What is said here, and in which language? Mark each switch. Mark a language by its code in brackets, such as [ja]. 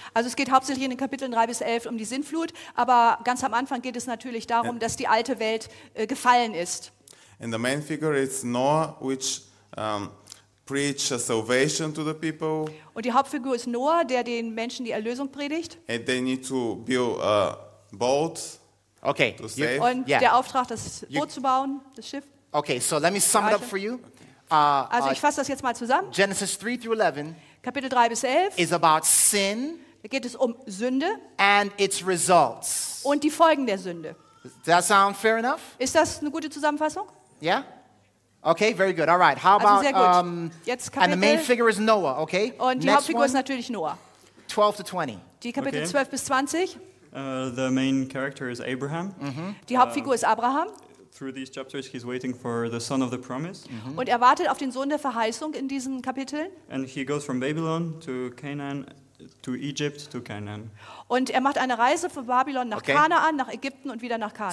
[de] Also es geht hauptsächlich in den Kapiteln 3 bis 11 um die Sintflut, aber ganz am Anfang geht es natürlich darum, dass die alte Welt gefallen ist. [en] And the main figure is Noah, which preached a salvation to the people. [de] Und die Hauptfigur ist Noah, der den Menschen die Erlösung predigt. [en] And they need to build a boat. Okay. To save. [de] Und der Auftrag, das Boot zu bauen, das Schiff. [en] Okay, so let me sum it up for you. [de] Also ich fasse das jetzt mal zusammen. [en] Genesis 3 through 11. [de] Kapitel 3 bis 11. [en] Is about sin. [de] Da geht es um Sünde. [en] And its results. [de] Und die Folgen der Sünde. [en] Does that sound fair enough? [de] Ist das eine gute Zusammenfassung? [en] Yeah. Okay, very good. All right. How about [de] jetzt Kapitel. [en] And the main figure is Noah, okay? [de] Und die Hauptfigur ist natürlich Noah. [en] 12 to 20. [de] Die Kapitel 12 bis 20. [en] The main character is Abraham. [de] Die Hauptfigur ist Abraham. [en] Through these chapters, he's waiting for the son of the promise. [de] Und wartet auf den Sohn der Verheißung in diesen Kapiteln. [en] And he goes from Babylon to Canaan, to Egypt to Canaan. [de] Und macht eine Reise von Babylon nach Kanaan, nach Ägypten und wieder nach Kanaan.